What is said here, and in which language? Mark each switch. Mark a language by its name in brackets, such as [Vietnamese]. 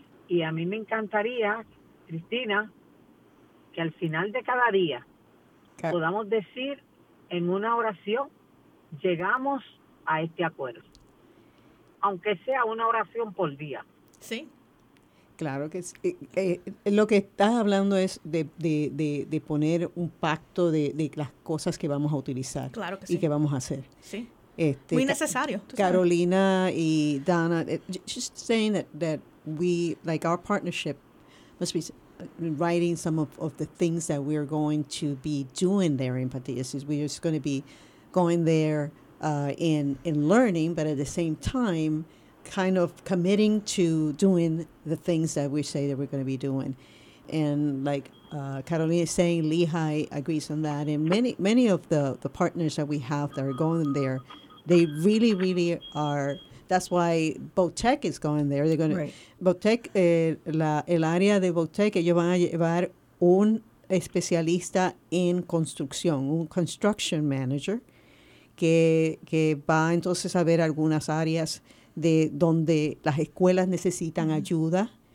[Spanish] Y a mí me encantaría, Cristina, que al final de cada día podamos decir en una oración, llegamos a este acuerdo. Aunque sea una oración por día. Sí. Claro que sí. Lo que estás hablando es de poner un pacto de las cosas que vamos a utilizar. Claro que y sí. Que vamos a hacer. Sí. Muy necesario. [English] Carolina y Donna, just saying that we, like our partnership, must be writing some of the things that we are going to be doing there in Patillas. We're just going to be going there and learning, but at the same time, kind of committing to doing the things that we say that we're going to be doing. And like Carolina is saying, Lehi agrees on that. And many of the partners that we have that are going there, they really, really are. That's why Botec is going there. They're going to, right. [Spanish] Botec, el área de Botec, ellos van a llevar un especialista en construcción, un [English] construction manager, [Spanish] que va entonces a ver algunas áreas de donde las escuelas necesitan ayuda.